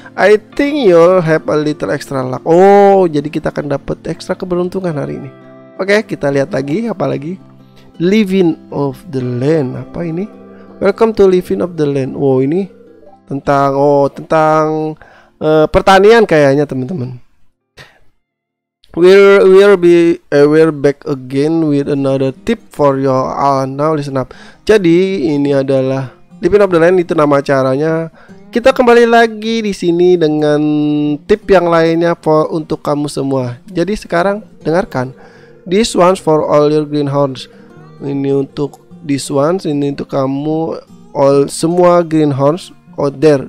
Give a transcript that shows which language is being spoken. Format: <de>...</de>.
<en>I think you'll have a little extra luck.</en> <id>Oh, jadi kita akan dapat ekstra keberuntungan hari ini. Oke, okay, kita lihat lagi apalagi. Living of the land, apa ini?</id> <en>Welcome to Living of the Land.</en> <id>Oh, ini tentang pertanian kayaknya, teman-teman.</id> <en>We're back again with another tip for you all. Now listen up.</en> <id>Jadi ini adalah Living of the Land, itu nama acaranya. Kita kembali lagi di sini dengan tip yang lainnya untuk kamu semua. Jadi sekarang dengarkan.</id> <en>This one's for all your greenhorns.</en> <id>Ini untuk</id> <en>this one's,</en> <id>ini untuk kamu all, semua greenhorns</id> <en>out there.</en>